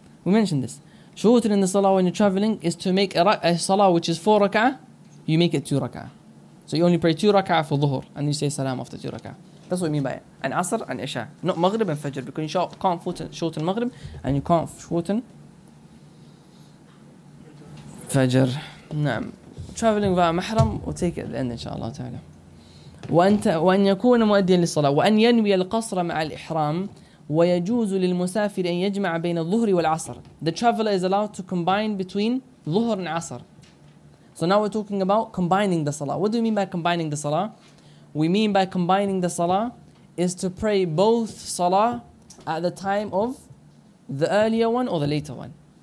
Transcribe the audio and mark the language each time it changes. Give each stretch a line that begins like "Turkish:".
English: We mentioned this. Shortening the Salah when you're traveling is to make a Salah which is 4 rak'ah you make it 2 rak'ah. So you only pray 2 rak'ah for dhuhr, and you say salam after 2 rak'ah. That's what we mean by it. And asr and isha, not maghrib and fajr, because you can't shorten maghrib and you can't shorten fajr. نعم. Traveling via mahram, we'll take it at the end, inshallah ta'ala.
Arabic: وأن يكون مؤديا للصلاة وأن ينوي القصر مع الإحرام ويجوز للمسافر أن يجمع بين الظهر والعصر.
English: The traveler is allowed to combine between ظهر and عصر. So now we're talking about combining the salah. What do we mean by combining the salah? We mean by combining the salah is to pray both salah at the time of the earlier one or the later one.